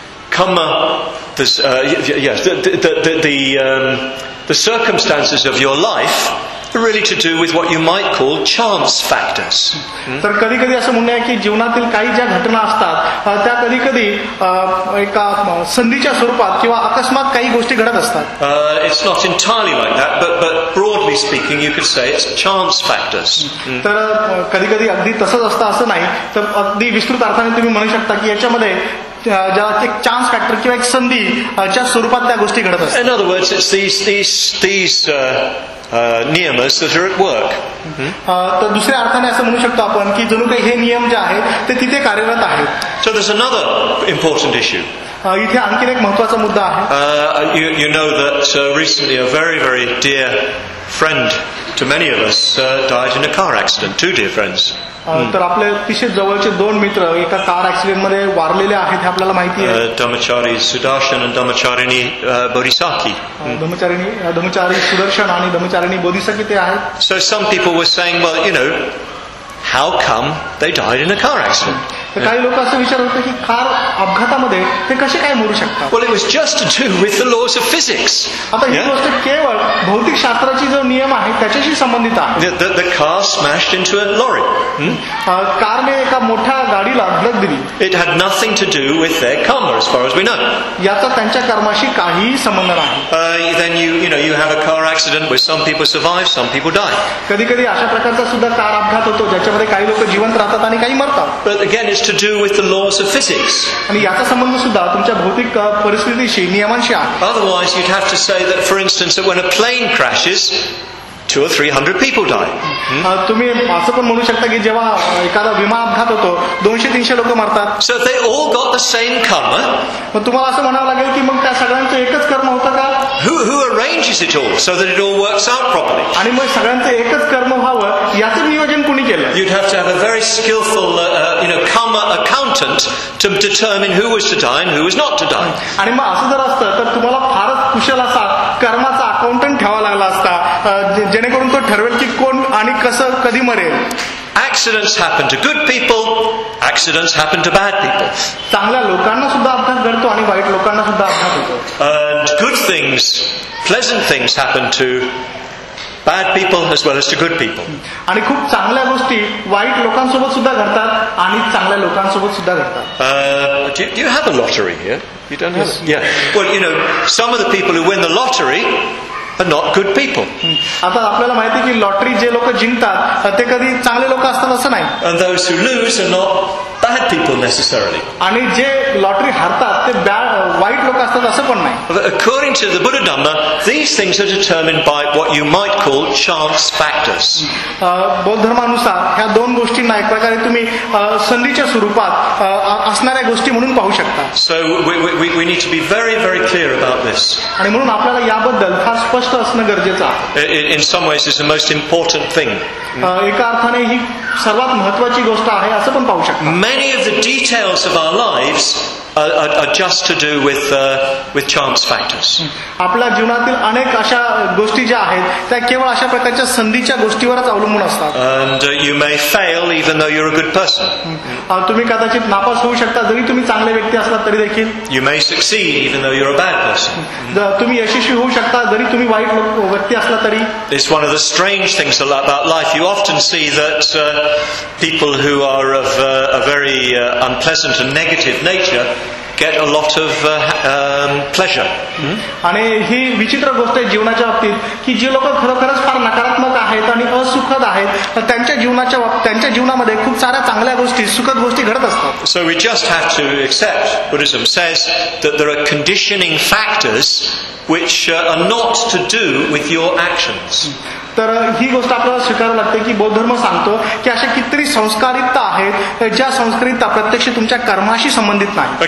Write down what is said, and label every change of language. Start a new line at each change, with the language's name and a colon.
English: Karma, the circumstances of your life really to do with what you might call chance factors.
Marathi: तर कधी कधी असं म्हणणं आहे की जीवनातील काही ज्या घटना असतात त्या कधी कधी एका संधीच्या स्वरूपात किंवा अकस्मात काही गोष्टी घडत असतात.
English: It's not entirely like that, but broadly speaking you could say it's chance factors.
Marathi: तर कधी कधी अगदी तसंच असतं असं नाही तर अगदी विस्तृत अर्थाने तुम्ही म्हणू शकता की याच्यामध्ये ज्याला एक चान्स फॅक्टर किंवा एक संधी च्या स्वरूपात त्या गोष्टी घडत असतात.
English: In other words, it's these nyamas that are at work.
Marathi: तर दुसऱ्या अर्थाने असं म्हणू शकतो आपण की जणू काही हे नियम जे आहेत ते तिथे कार्यरत आहेत.
English: So there's another important issue.
Marathi: इथे आणखी एक महत्त्वाचा मुद्दा आहे.
English: You know that recently a very very dear friend to many of us died in a car accident. Two dear friends.
Marathi: तर आपले अतिशय जवळचे दोन मित्र एका कार ऍक्सिडेंट मध्ये वारलेले आहेत हे आपल्याला माहिती आहे. धम्मचारी सुदर्शन आणि धम्मचारिणी बोधिसाखी. धम्मचारी सुदर्शन आणि धम्मचारिणी बोधिसाखी ते आहेत.
English: So some people were saying, well, you know, how come they died in a car accident?
Marathi: काही लोक असं विचार होते की कार अपघातामध्ये ते कसे काय मरू शकतात.
English: Well, it was just to do with the laws of physics.
Marathi: आता ही गोष्ट केवळ भौतिक शास्त्राची जो नियम आहे त्याच्याशी संबंधित आहे.
English: The car smashed into a lorry.
Marathi: कारने एका मोठ्या गाडीला धडक दिली.
English: It had nothing to do with their karma as far as we know.
Marathi: याचा त्यांच्या कर्माशी काहीही संबंध नाही.
English: Then you have a car accident where some people survive, some people die.
Marathi: कधी कधी अशा प्रकारचा सुद्धा कार अपघात होतो ज्याच्यामध्ये काही लोक जिवंत राहतात आणि काही मरतात.
English: But again, to do with the laws of physics.
Marathi: आणि याचा संबंध सुद्धा तुमच्या भौतिक परिस्थितीशी नियमांशी आहे.
English: Otherwise you'd have to say that, for instance, that when a plane crashes 200 or 300 people die.
Marathi: तुम्ही असं पण म्हणू शकता की जेव्हा एखादा विमा अपघात होतो 200-300 लोक मरतात.
English: So they all got the same karma.
Marathi: पण तुम्हाला असं म्हणावं लागेल की मग त्या सगळ्यांचं एकच कर्म होतं का?
English: Who arranges it all so that it all works out properly?
Marathi: आणि मग सगळ्यांचं एकच कर्म व्हावं याचं नियोजन कोणी केलं?
English: You'd have to have a very skillful karma accountant to determine who was to die and who was not to die.
Marathi: आणि मग असं जर असतं तर तुम्हाला फारच कुशल असा कर्माचा अकाउंटंट ठेवा लागला असता जेणेकरून तो ठरवेल की कोण आणि कसं कधी मरेल.
English: Accidents happen to good people, accidents happen to bad people.
Marathi: चांगल्या लोकांना सुद्धा अपघात घडतो आणि वाईट लोकांना सुद्धा अपघात होतो.
English: And good things, pleasant things happen to bad people as well as to good people.
Marathi: आणि खूप चांगल्या गोष्टी वाईट लोकांसोबत सुद्धा घडतात आणि चांगल्या लोकांसोबत सुद्धा घडतात.
English: Do you have a lottery here? You don't have? Yeah. Well, some of the people who win the lottery are not good people.
Marathi: आता आपल्याला माहिती आहे की लॉटरी जे लोक जिंकतात ते कधी चांगले लोक असतात असं नाही.
English: And those who lose are not bad people necessarily.
Marathi: आणि जे लॉटरी हारतात ते बॅड वाईट लोक असतात असं पण नाही.
English: According to the Buddha Dhamma, these things are determined by what you might call chance factors.
Marathi: बौद्ध धर्मानुसार ह्या दोन गोष्टींना एक प्रकारे तुम्ही संधीच्या स्वरूपात असणाऱ्या गोष्टी म्हणून पाहू शकता.
English: So we need to be very very clear about this.
Marathi: आणि म्हणून आपल्याला याबद्दल फार स्पष्ट असणं गरजेचं आहे.
English: In some ways it's the most important thing.
Marathi: एका अर्थाने ही सर्वात महत्त्वाची गोष्ट आहे असं पण पाहू शकता.
English: Many of the details of our lives are just to do with chance factors.
Marathi: आपल्या जीवनातील अनेक अशा गोष्टी ज्या आहेत त्या केवळ अशा प्रकारच्या संधीच्या गोष्टीवरच अवलंबून असतात.
English: And you may fail even though you're a good person.
Marathi: तुम्ही कदाचित नापास होऊ शकता जरी तुम्ही चांगले व्यक्ती असला तरी देखील.
English: You may succeed even though you're a bad person.
Marathi: तुम्ही यशस्वी होऊ शकता जरी तुम्ही वाईट व्यक्ती असला तरी.
English: It's one of the strange things about life. You often see that people who are of a very unpleasant and negative nature get a lot of pleasure.
Marathi: आणि ही विचित्र गोष्ट आहे जीवनाच्या बाबतीत की जे लोक खरोखरच फार नकारात्मक आहेत आणि असुखद आहेत त्यांच्या जीवनाच्या त्यांच्या जीवनामध्ये खूप साऱ्या चांगल्या गोष्टी सुखद गोष्टी घडत असतात.
English: So we just have to accept Buddhism says that there are conditioning factors which are not to do with your actions.
Marathi: तर ही गोष्ट आपल्याला स्वीकारावी लागते की बौद्ध धर्म सांगतो की अशा कितीतरी संस्कारिता आहेत ज्या संस्कारिता प्रत्यक्ष तुमच्या कर्माशी संबंधित नाही.